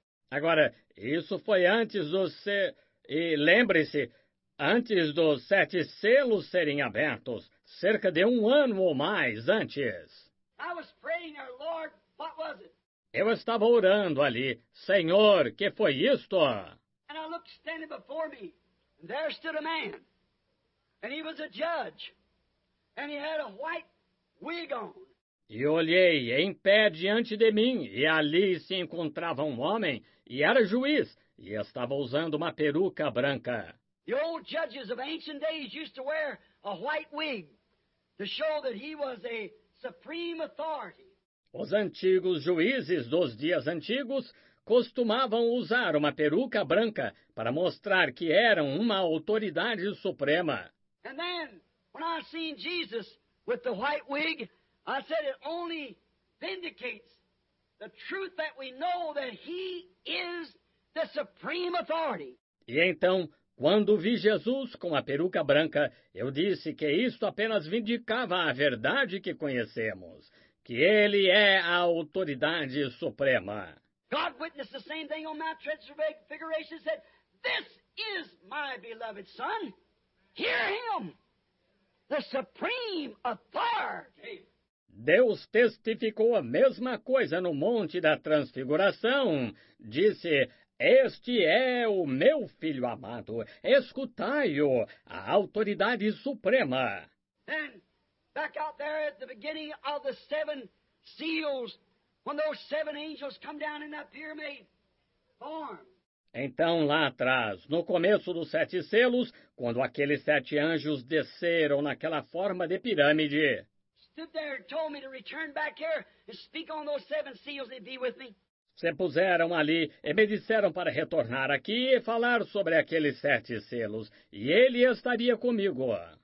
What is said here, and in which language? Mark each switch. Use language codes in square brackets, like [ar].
[pt] Agora, isso foi antes do e lembre-se, antes dos sete selos serem abertos, cerca de um ano ou mais antes. [en] I was praying, our Lord, what was it? [pt] Eu estava orando ali, Senhor, que foi isto? [en] And I looked standing before me, and there stood a man, and he was a judge, and he had a white wig on. [pt] E olhei em pé diante de mim, e ali se encontrava um homem, e era juiz, e estava usando uma peruca branca. [en] The old judges of ancient days used to wear a white wig to show that he was a supreme authority. [pt] Os antigos juízes dos dias antigos costumavam usar uma peruca branca para mostrar que eram uma autoridade suprema. [en] And then, when I seen Jesus with the white wig, I said it only vindicates the truth that we know that he is the supreme authority. [pt] E então, quando vi Jesus com a peruca branca, eu disse que isto apenas vindicava a verdade que conhecemos, que ele é a autoridade suprema. [en] God witnessed the same thing on Mount Transfiguration and said, "This is my beloved son. Hear him. The supreme authority." [pt] Deus testificou a mesma coisa no Monte da Transfiguração. Disse, este é o meu filho amado. Escutai-o, a autoridade suprema. [en] And back out there at the beginning of the seven seals, when those seven angels come down in that pyramid form. [pt] Então, lá atrás, no começo dos sete selos, quando aqueles sete anjos desceram naquela forma de pirâmide. [en] Stood there and told me to return back here and speak on those seven seals and be with me. [pt] Se puseram ali e me disseram para retornar aqui e falar sobre aqueles sete selos. E ele estaria comigo.